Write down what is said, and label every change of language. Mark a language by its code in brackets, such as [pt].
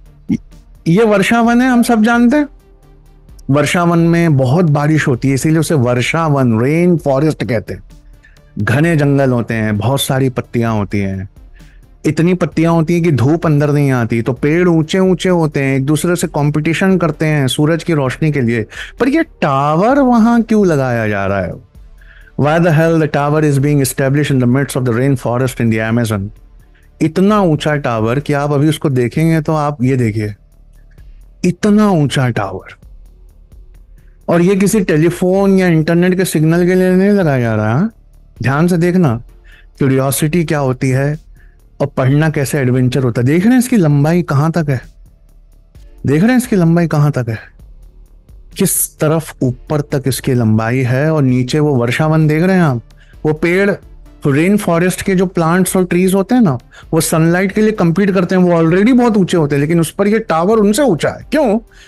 [hi] ये वर्षावन है, हम सब जानते हैं वर्षावन में बहुत बारिश होती है, इसीलिए उसे वर्षावन, रेन फॉरेस्ट कहते हैं। घने जंगल होते हैं, बहुत सारी पत्तियां होती हैं, इतनी पत्तियां होती हैं कि धूप अंदर नहीं आती, तो पेड़ ऊंचे ऊंचे होते हैं, एक दूसरे से कंपटीशन करते हैं सूरज की रोशनी के लिए। पर ये टावर वहां क्यों लगाया जा रहा है? [en] Why the hell the tower is being established in the midst of the rainforest in the Amazon? [hi] इतना ऊंचा टावर कि आप अभी उसको देखेंगे तो आप ये देखिए, इतना ऊंचा टावर, और ये किसी टेलीफोन या इंटरनेट के सिग्नल के लिए नहीं लगाया जा रहा है। ध्यान से देखना क्यूरियोसिटी क्या होती है और पढ़ना कैसे एडवेंचर होता है। देख रहे हैं इसकी लंबाई कहां तक है, देख रहे हैं इसकी लंबाई कहां तक है, किस तरफ ऊपर तक इसकी लंबाई है, और नीचे वो वर्षावन देख रहे हैं आप, वो पेड़ रेन फॉरेस्ट के जो प्लांट्स और ट्रीज होते हैं ना, वो सनलाइट के लिए कंपीट करते हैं, वो ऑलरेडी बहुत ऊंचे होते हैं, लेकिन उस पर ये टावर उनसे ऊंचा है। क्यों?